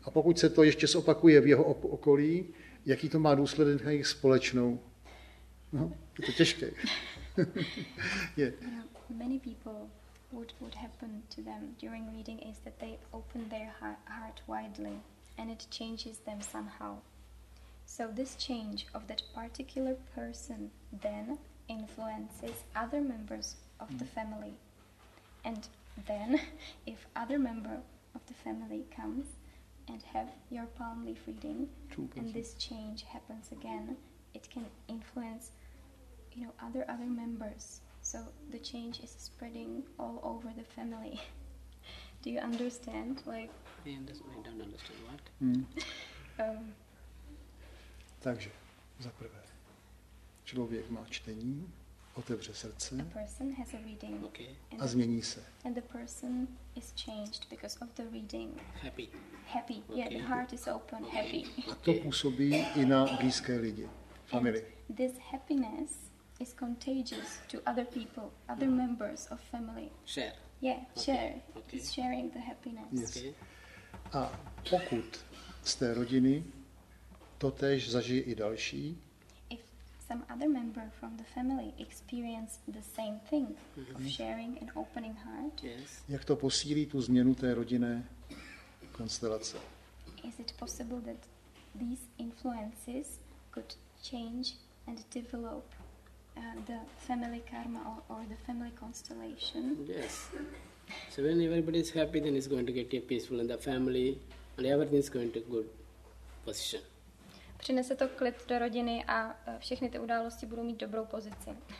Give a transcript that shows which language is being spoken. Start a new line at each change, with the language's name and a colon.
Czech: A pokud se to ještě zopakuje v jeho okolí, jaký to má důsledek na jejich společnou? No, je to těžké. Je.
English: Many people would happen to them during reading is that they open their heart widely and it changes them somehow. So this change of that particular person then influences other members of the family. And then if other member of the family comes and have your palm leaf reading, and this change happens again, it can influence, you know, other members. So the change is spreading all over the family. Do you understand? Like, I don't understand what.
Czech: Takže, za prvé, člověk má čtení, otevře srdce,
English: a person has a reading, okay.
Czech: A změní se.
English: And the person is changed because of the reading. Happy. Happy. Okay. Yeah, the heart is open. Okay. Happy.
Czech: A to působí i na blízké lidi, family.
English: And this happiness is contagious to other people, other members of family. Share. Yeah, share. Okay. It's sharing the happiness. Yes. Okay.
Czech: A pokud z té rodiny totéž zažije i další.
English: Some other member from the family experience the same thing of sharing and opening heart. Yes.
Czech: Jak to posílí tu změnu té rodinné konstelace?
English: Is it possible that these influences could change and develop the family karma or the family constellation? Yes. So when everybody is happy, then it's going to get peaceful in the family, and everything is going to good position.
Czech: Přinese to klid do rodiny a všechny ty události budou mít dobrou pozici.